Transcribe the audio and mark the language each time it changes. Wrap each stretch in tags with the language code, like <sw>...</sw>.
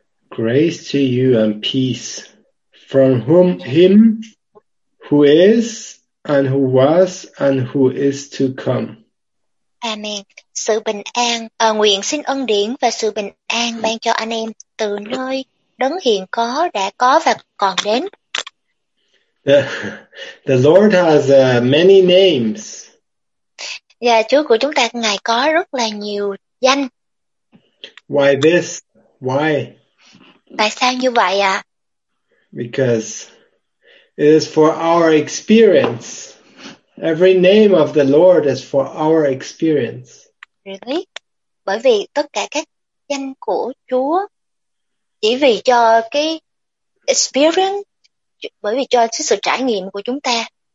<en>Grace to you and peace from whom him who is and who was and who is to come. Amen.</en> <vi>Sự bình an, nguyện xin ân điển và sự bình an ban cho anh em từ nơi đấng hiện có, đã có và còn đến.</vi> <en>The Lord has many names.</en> <vi>Yeah, Chúa của chúng ta, Ngài có rất là nhiều danh.</vi> <en>Why this? Why?</en> <vi>Tại sao như vậy ạ?</vi> <en>Because it is for our experience. Every name of the Lord is for our experience. Really?</en> <vi>Bởi vì tất cả các danh của Chúa chỉ vì cho cái experience, bởi vì cho sự trải nghiệm của chúng ta.</vi>